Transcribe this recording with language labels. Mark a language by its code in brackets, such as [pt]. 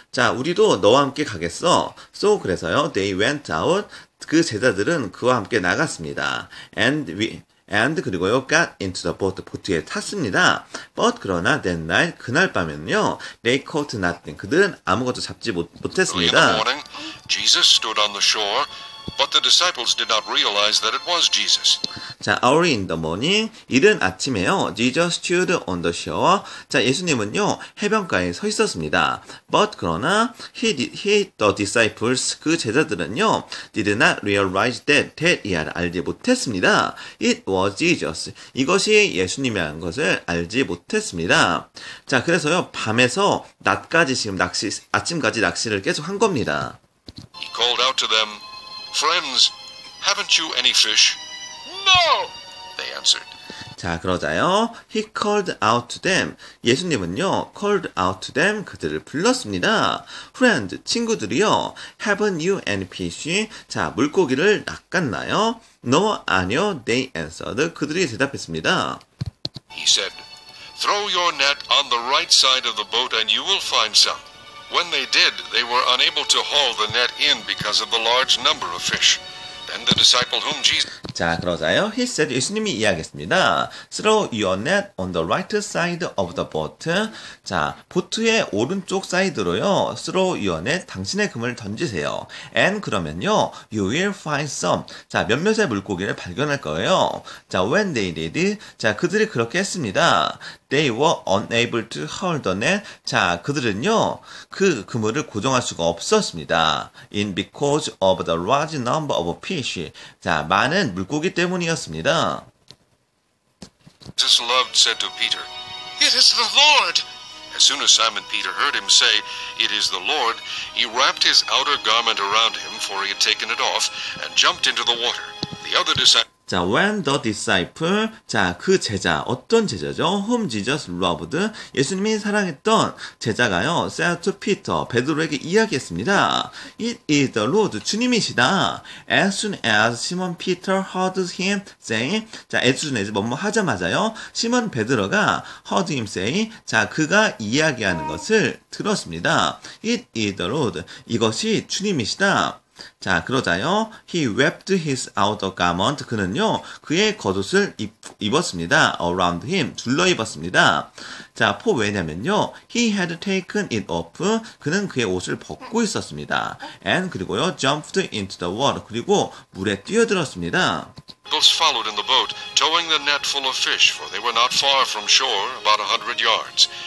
[ko] 자, 우리도 너와 함께 가겠어. [en] So [ko] 그래서요, [en] they went out. [ko] 그 제자들은 그와 함께 나갔습니다. [en] And [ko] 그리고요, [en] got into the boat, [ko] 보트에 탔습니다. [en] But [ko] 그러나 [en] that night, [ko] 그날 밤에는요, [en] they caught nothing. [ko] 그들은 아무것도 잡지 못했습니다. [en] In the morning, Jesus stood on the shore, but the disciples did not realize that it was Jesus. 자, early in the morning, [ko] 이른 아침에요, [en] Jesus stood on the shore. [ko] 자, 예수님은요, 해변가에 서 있었습니다. [en] But 그러나, the disciples, [ko] 그 제자들은요, [en] did not realize that yet, [ko] 알지 못했습니다. [en] It was Jesus. [ko] 이것이 예수님이라는 것을 알지 못했습니다. 자, 그래서요, 밤에서 낮까지 지금 아침까지 낚시를 계속 한 겁니다. [en] He called out to them, Friends, haven't you any fish? No! They answered. 자, 그러자요. He called out to them. [ko] 예수님은요, [en] called out to them. [ko] 그들을 불렀습니다. Friend, 친구들이요. [en] Haven't you any fish? 자, [ko] 물고기를 낚았나요? [en] No, [ko] 아니요. [en] They answered. [ko] 그들이 대답했습니다. [en] He said, Throw your net on the right side of the boat and you will find some. When they did, they were unable to haul the net in because of the large number of fish. Then the disciple whom Jesus... [ko] 자, 그러자요. [en] He said, [ko] 예수님이 이야기했습니다. [en] Throw your net on the right side of the boat. [ko] 자, 보트의 오른쪽 사이드로요. [en] Throw your net, [ko] 당신의 그물을 던지세요. [en] And [ko] 그러면요. [en] You will find some. [ko] 자, 몇몇의 물고기를 발견할 거예요. [en] 자, when they did, 자, [ko] 그들이 그렇게 했습니다. [en] They were unable to haul the net. [ko] 자, 그들은요. 그 그물을 고정할 수가 없었습니다. [en] In because of the large number of fish. [ko] 자, 많은 물고기 때문이었습니다. [en] Jesus loved said to Peter, It is the Lord. As soon as Simon Peter heard him say, It is the Lord, he wrapped his outer garment around him, for he had taken it off, and jumped into the water. The other disciples [ko] 자, [en] when the disciple, [ko] 자, 그 제자, 어떤 제자죠? [en] Whom Jesus loved, [ko] 예수님이 사랑했던 제자가요, [en] said to Peter, [ko] 베드로에게 이야기했습니다. [en] It is the Lord, 주님이시다. As soon as Simon Peter heard him say, 자, as soon as, [ko] 뭐뭐 하자마자요, [en] Simon 베드로가 heard him say, 자, [ko] 그가 이야기하는 것을 들었습니다. [en] It is the Lord, [ko] 이것이 주님이시다. [en] 자, 그러자요. He wrapped his outer garment. [ko] 그는요. 그의 겉옷을 입었습니다. [en] Around him. [ko] 둘러 입었습니다. 자, for 왜냐면요. [en] He had taken it off. [ko] 그는 그의 옷을 벗고 있었습니다. [en] And [ko] 그리고요. [en] Jumped into the water. [ko] 그리고 물에 뛰어들었습니다. [en] People followed in the boat, towing the net full of fish, for they were not far from shore, about 100 yards.